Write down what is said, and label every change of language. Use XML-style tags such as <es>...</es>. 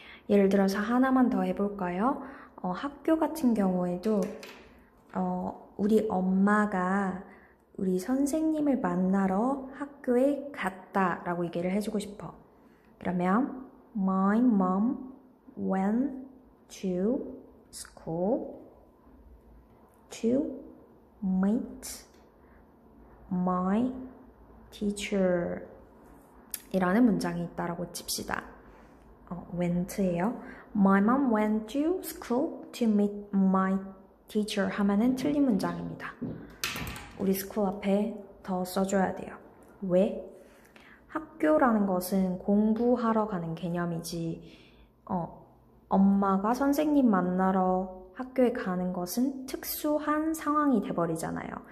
<ko>예를 들어서 하나만 더 해볼까요? 학교 같은 경우에도, 우리 엄마가 우리 선생님을 만나러 학교에 갔다라고 얘기를 해주고 싶어.</ko> <en>그러면, My mom went to school to meet my teacher.</en> <ko>이라는 문장이 있다라고 칩시다. went예요.</ko> <en>My mom went to school to meet my teacher</en> <ko>하면은 틀린 문장입니다. 우리 school 앞에 더 써줘야 돼요. 왜? 학교라는 것은 공부하러 가는 개념이지, 엄마가 선생님 만나러 학교에 가는 것은 특수한 상황이 돼버리잖아요.</ko>